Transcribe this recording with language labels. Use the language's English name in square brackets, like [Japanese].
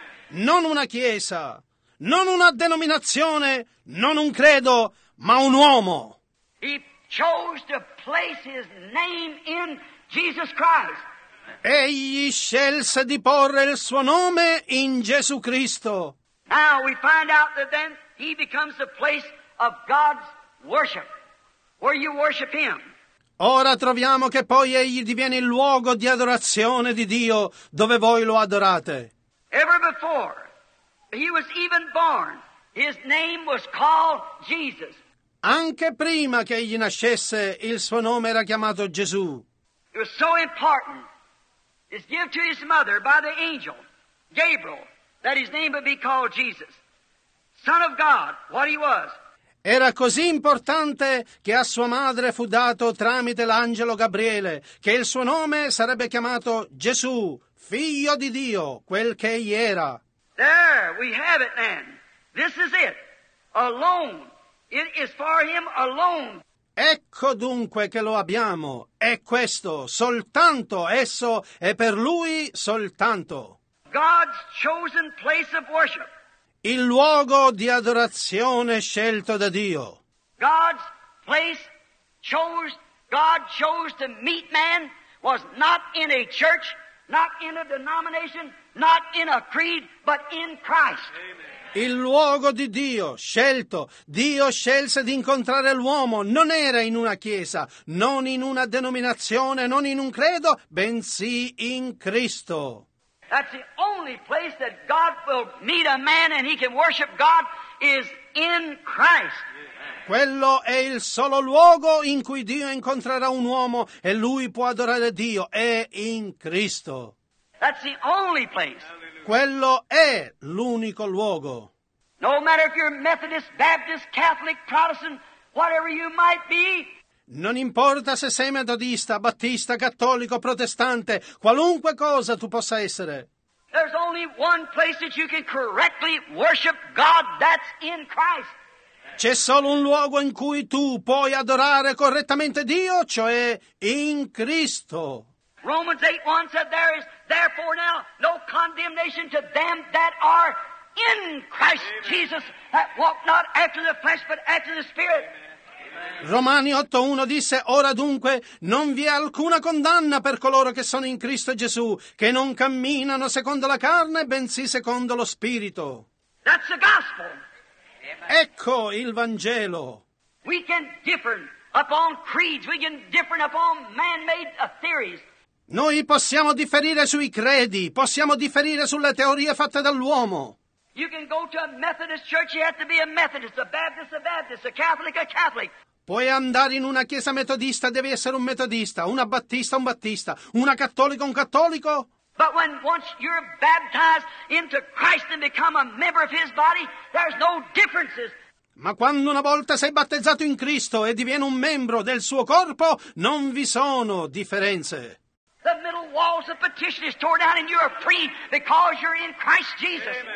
[Italian] Non una chiesa, non una denominazione, non un credo, ma un uomo. [English] He chose to place his name in Jesus Christ. [Italian] Egli scelse di porre il suo nome in Gesù Cristo. [English] Now we find out that then he becomes the place of God's worship, where you worship him. [Italian] Ora troviamo che poi egli diviene il luogo di adorazione di Dio dove voi lo adorate. [English] Ever before he was even born, his name was called Jesus. [Italian] Anche prima che egli nascesse, il suo nome era chiamato Gesù. [English] It was so important, it's given to his mother by the angel Gabriel, that his name would be called Jesus, Son of God, what he was. [Italian] Era così importante che a sua madre fu dato tramite l'angelo Gabriele che il suo nome sarebbe chiamato Gesù, figlio di Dio, quel che egli era. [English] There we have it then. This is it. Alone. It is for him alone. [Italian] Ecco dunque che lo abbiamo. È questo. Soltanto esso è per lui soltanto. [English] God's chosen place of worship. [Italian] Il luogo di adorazione scelto da Dio. [English] God's place chose, God chose to meet man was not in a church, not in a denomination, not in a creed, but in Christ. Amen. [Italian] Il luogo di Dio scelto, Dio scelse di incontrare l'uomo, non era in una chiesa, non in una denominazione, non in un credo, bensì in Cristo. [English] That's the only place that God will meet a man and he can worship God is in Christ. [Italian] Quello è il solo luogo in cui Dio incontrerà un uomo e lui può adorare Dio, è in Cristo. [English] That's the only place. [Italian] Quello è l'unico luogo. [English] No matter if you're Methodist, Baptist, Catholic, Protestant, whatever you might be. [Italian] Non importa se sei metodista, battista, cattolico, protestante, qualunque cosa tu possa essere. [English] There's only one place that you can correctly worship God, that's in Christ. [Italian] C'è solo un luogo in cui tu puoi adorare correttamente Dio, cioè in Cristo. [English] Romans 8:1 said there is therefore now no condemnation to them that are in Christ Jesus, that walk not after the flesh but after the Spirit. [Italian] Romani 8:1 disse, ora dunque non vi è alcuna condanna per coloro che sono in Cristo Gesù, che non camminano secondo la carne, bensì secondo lo Spirito. [English] That's the gospel. [Italian] Ecco il Vangelo. [English] We can differ upon creeds, we can differ upon man-made theories. [Italian] Noi possiamo differire sui credi, possiamo differire sulle teorie fatte dall'uomo. [English] You can go to a Methodist church, you have to be a Methodist, a Baptist, a Catholic, a Catholic. [Italian] Puoi andare in una chiesa metodista, devi essere un metodista, una battista, un battista, una cattolica, un cattolico. [English] But when once you're baptized into Christ and become a member of his body, there's no differences. [Italian] Ma quando una volta sei battezzato in Cristo e diviene un membro del suo corpo, non vi sono differenze. [English] The middle walls of partition is torn down and you're free because you're in Christ Jesus.